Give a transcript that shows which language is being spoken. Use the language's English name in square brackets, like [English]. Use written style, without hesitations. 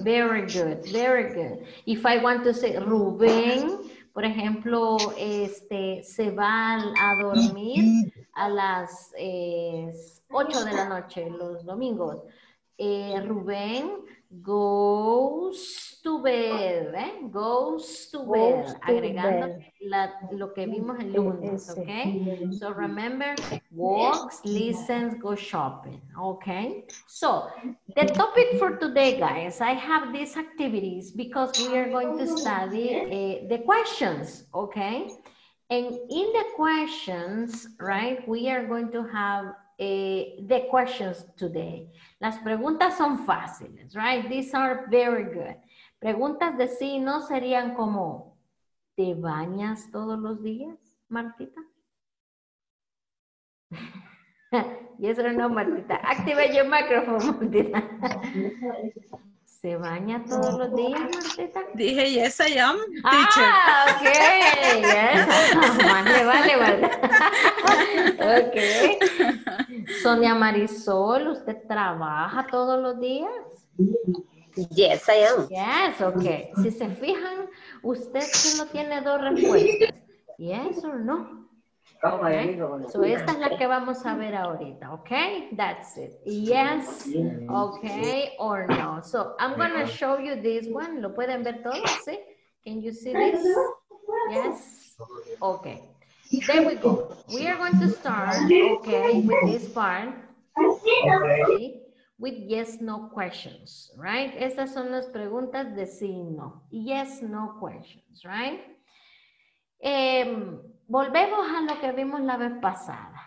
[English] Very good, very good. If I want to say [Spanish] Rubén, por ejemplo, este, se va a dormir a las 8 de la noche, los domingos. [English] Rubén goes to bed, ¿eh? Goes to bed, [Spanish] agregando la, lo que vimos el lunes, ¿ok? [English] So remember, walks, listens, go shopping, ¿ok? So, the topic for today, guys, I have these activities because we are going to study the questions, ¿ok? And in the questions, right, we are going to have the questions today. [Spanish] Las preguntas son fáciles, [English] right? These are very good. [Spanish] Preguntas de sí no serían como, ¿te bañas todos los días, Martita? [English] Yes or no, [Spanish] Martita. Activa [English] your microphone, [Spanish] Martita. ¿Se baña todos los días, Martita? [English] Dije, yes, I am, teacher. [Spanish] Ah, ok. Yes. Vale, vale, vale. Ok. Sonia Marisol, ¿usted trabaja todos los días? [English] Yes, I am. Yes, ok. [Spanish] Si se fijan, usted solo tiene dos respuestas. [English] Yes or no. Okay. [Spanish] So esta es la que vamos a ver ahorita, ok? [English] That's it. Yes, ok, or no. So I'm going to show you this one. [Spanish] ¿Lo pueden ver todos? ¿Sí? [English] Can you see this? Yes, ok. There we go. We are going to start, okay, with this part, okay, with yes, no questions, right? [Spanish] Estas son las preguntas de sí y no. [English] Yes, no questions, right? [Spanish] Volvemos a lo que vimos la vez pasada.